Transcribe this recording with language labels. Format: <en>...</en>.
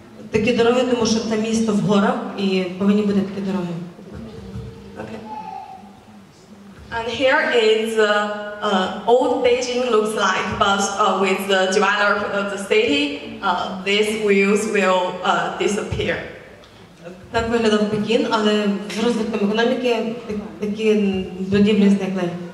<uk>Такі дороги, тому що це місто в горах і повинні бути такі дороги.</uk> <en>And here is the old Beijing looks like, but with the development of the city, these wheels will disappear.</en> <uk>Так виглядав Пекін, але з розвитком економіки такі будівлі зникли.</uk>